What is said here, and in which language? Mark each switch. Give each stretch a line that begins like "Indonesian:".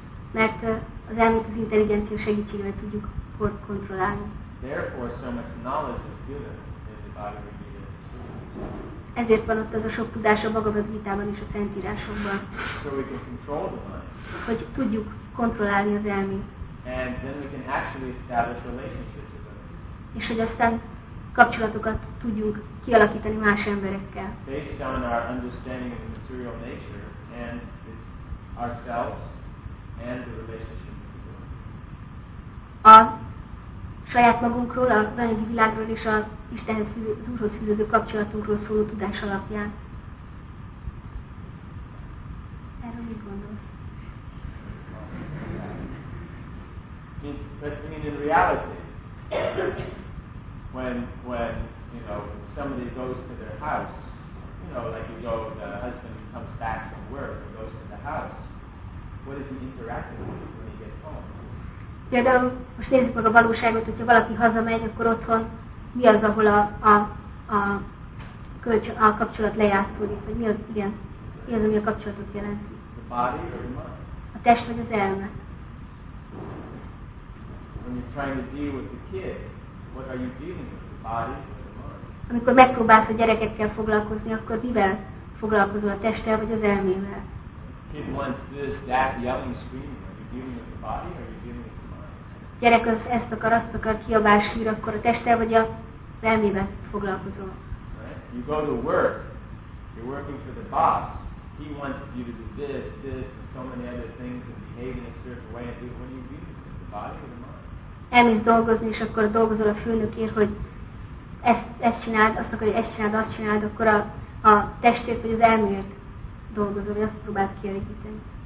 Hungarian: Mert az elmét az intelligencia segítségével tudjuk kontrollálni.
English: Therefore, so much knowledge is given in the Bhagavad Gita.
Hungarian: Ezért van ott az a sok tudás a Bhagavad Gita-ban és a szentírásokban.
English: So we can control the mind.
Hungarian: Hogy tudjuk kontrollálni az elmét.
English: And then we can actually establish relationships with others.
Hungarian: És hogy aztán kapcsolatokat tudjuk kialakítani más emberekkel.
English: Based on our understanding of the material nature and it's ourselves and the relationship with the world.
Hungarian: Saját magunkról, az anyagi világról és az Istenhez, az Úrhoz fűződő kapcsolatunkról szóló tudás alapján. Erről mit gondolsz?
English: I mean, in reality, when you know, somebody goes to their house, you know, like you go, the husband comes back from work and goes to the house, what is he interacting with when he gets home?
Hungarian: Például most nézzük meg a valóságot, hogyha valaki hazamegy, akkor otthon mi az, ahol a kapcsolat lejátszódik, vagy mi az, igen, mi az, ami a kapcsolatot jelenti.
English: body or the mind?
Hungarian: A test vagy az elme.
English: When you're trying to deal with the kid, what are you dealing with, the body or the mind?
Hungarian: Amikor megpróbálsz a gyerekekkel foglalkozni, akkor mivel foglalkozol, a testtel vagy az elmével?
English: Kid wants this, that, yelling, screaming. Are you dealing with the body or are you dealing with the mind?
Hungarian: Gyerek az ezt akar, azt akar, kiabál, sír, akkor a testtel vagy az elmével foglalkozol.
English: Right? You go to work. You're working for the boss. He wants you to do this, this, and so many other things, and behave in a certain way. And what do you mean? The body or the mind?
Hungarian: Elmész dolgozni, és akkor dolgozol a főnökért, hogy ezt csináld, azt akarja, hogy ezt csináld, azt csináld, akkor a testért vagy az elmért dolgozol, hogy azt próbáld kielégíteni.